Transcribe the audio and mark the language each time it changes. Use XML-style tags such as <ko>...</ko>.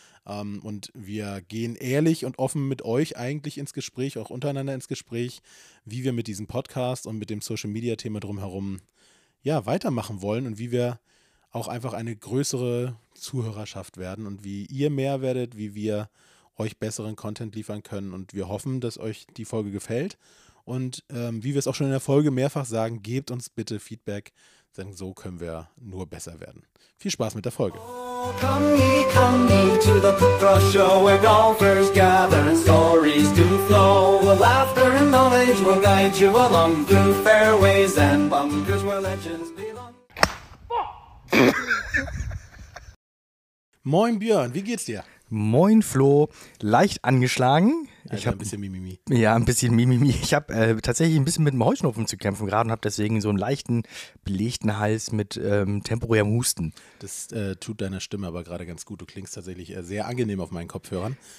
<de>Und wir gehen ehrlich und offen mit euch eigentlich ins Gespräch, auch untereinander ins Gespräch, wie wir mit diesem Podcast und mit dem Social Media Thema drumherum weitermachen wollen und wie wir auch einfach eine größere Zuhörerschaft werden und wie ihr mehr werdet, wie wir euch besseren Content liefern können. Und wir hoffen, dass euch die Folge gefällt. Und wie wir es auch schon in der Folge mehrfach sagen, gebt uns bitte Feedback, denn so können wir nur besser werden. Viel Spaß mit der Folge.</de> <en>Come ye to the Pattbros Show, where golfers gather and stories do flow. Laughter and knowledge will guide you along through fairways and bunkers where legends belong.</en> <de>Moin Björn, wie geht's dir? Moin Flo, leicht angeschlagen. Also ich habe ein bisschen Mimimi. Ja, ein bisschen Mimimi. Ich habe tatsächlich ein bisschen mit dem Heuschnupfen zu kämpfen gerade und habe deswegen so einen leichten, belegten Hals mit temporärem Husten. Das tut deiner Stimme aber gerade ganz gut. Du klingst tatsächlich sehr angenehm auf meinen Kopfhörern.</de>